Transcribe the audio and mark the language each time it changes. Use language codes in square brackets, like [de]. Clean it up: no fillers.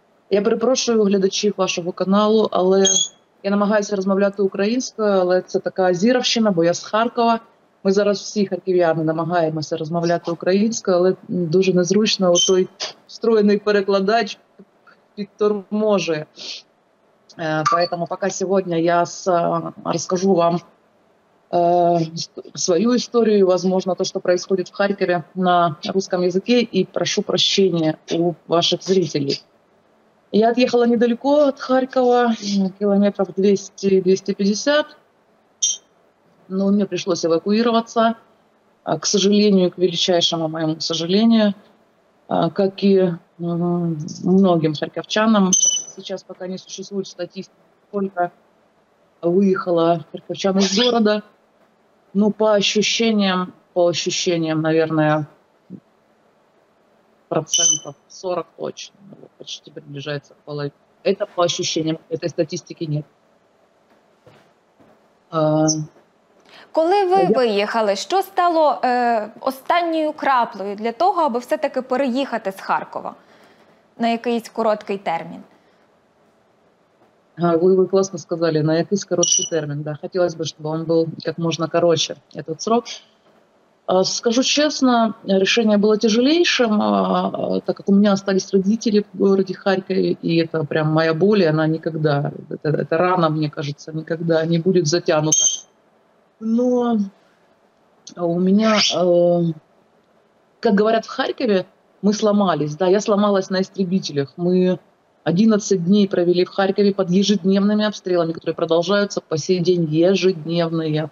[uk] Я перепрошую глядачів вашого каналу, але я намагаюся розмовляти українською, але це така азіровщина, бо я з Харкова. Ми зараз всі харків'яни намагаємося розмовляти українською, але дуже незручно, той встроєний перекладач підторможує. [ru] Поэтому пока сегодня я расскажу вам свою историю, возможно, то, что происходит в Харькове на русском языке, и прошу прощения у ваших зрителей. Я отъехала недалеко от Харькова, километров 200-250, но мне пришлось эвакуироваться, к сожалению, к величайшему моему сожалению, как и многим харьковчанам. Сейчас пока не существует статистики, сколько выехало харьковчан из города. Ну, по ощущениям, наверное, процентов 40 точно. Почти приближается к половине. Это по ощущениям, этой статистики нет. [uk] Коли ви виїхали, що стало останньою краплею для того, аби все-таки переїхати з Харкова на якийсь короткий термін? Ви класно сказали, на якийсь короткий термін. Да. Хотілося б, щоб він був як можна коротше, цей срок. Скажу чесно, рішення було тяжелішим, так як у мене залишились батьки в місті Харкові, і це прям моя боль, вона ніколи, це рана, мені здається, ніколи не буде затягнута. [ru] Но у меня, как говорят в Харькове, мы сломались. Да, я сломалась на истребителях. Мы 11 дней провели в Харькове под ежедневными обстрелами, которые продолжаются по сей день ежедневные.